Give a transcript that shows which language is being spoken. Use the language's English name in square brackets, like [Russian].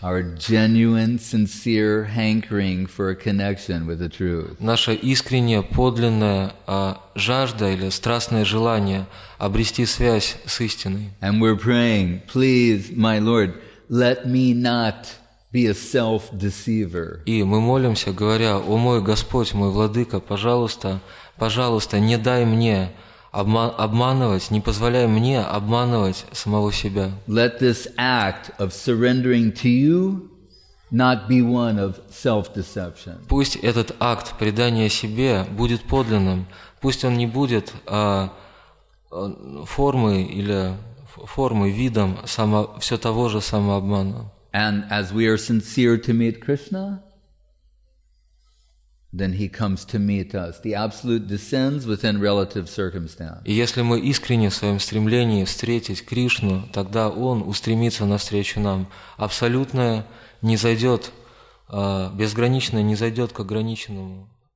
[English] Our genuine, sincere hankering for a connection with the truth. [Russian] Наша искренняя, подлинная жажда или страстное желание обрести связь с истиной. [English] And we're praying, please, my Lord, let me not be a self-deceiver. [Russian] И мы молимся, говоря, о мой Господь, мой Владыка, пожалуйста, пожалуйста, не дай мне обманывать, не позволяй мне обманывать самого себя. [English] Let this act of surrendering to you not be one of self-deception. [Russian] Пусть этот акт предания себе будет подлинным. Пусть он не будет формой или формой, видом все того же самообмана. [English] And as we are sincere to meet Krishna, then he comes to meet us. The absolute descends within relative circumstance. [Russian] И если мы искренне в своем стремлении встретить Кришну, тогда он устремится навстречу нам. Абсолютное не зайдет, безграничное не зайдет к ограниченному.